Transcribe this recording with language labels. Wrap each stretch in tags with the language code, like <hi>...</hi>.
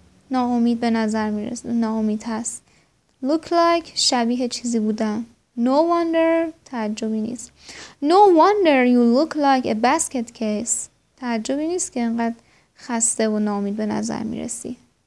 <fa>ناامید به نظر میرسه، ناامید هست.</fa> <en>Look like</en> <fa>شبیه چیزی بودن.</fa> <en>No wonder</en> <fa>تعجبی نیست.</fa> <en>No wonder you look like a basket case.</en> <fa>تعجبی نیست که انقدر خسته و ناامید به نظر میرسی.</fa>